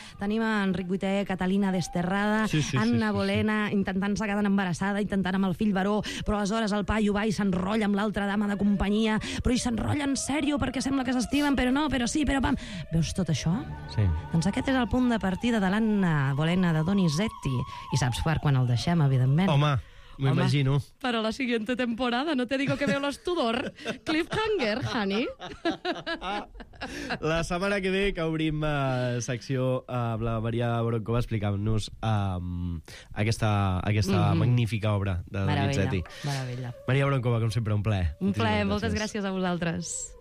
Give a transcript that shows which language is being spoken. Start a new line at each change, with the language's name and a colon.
Catalan: Tenim Enric VIII, Catalina Desterrada, Anna Bolena, intentant-se quedar embarassada, intentant amb el fill baró, però aleshores el paio va i s'enrotlla amb l'altra dama de companyia, però hi s'enrotlla en sèrio perquè sembla que s'estimen, però no, però sí, però pam. Veus tot això? Sí. Doncs aquest és el punt de partida de l'Anna Bolena de Donizetti. I saps per quan el deixem, evidentment? Home, m'ho imagino.
Spanish: Però la siguiente temporada, no te digo que veo los Tudor.
English: Cliffhanger, honey.
Catalan: La setmana que ve que obrim secció amb la Maria Broncova explicant-nos aquesta magnífica obra de Donizetti.
Spanish: Maravilla.
Catalan: Maria Broncova, com sempre, un plaer. Moltes gràcies a vosaltres.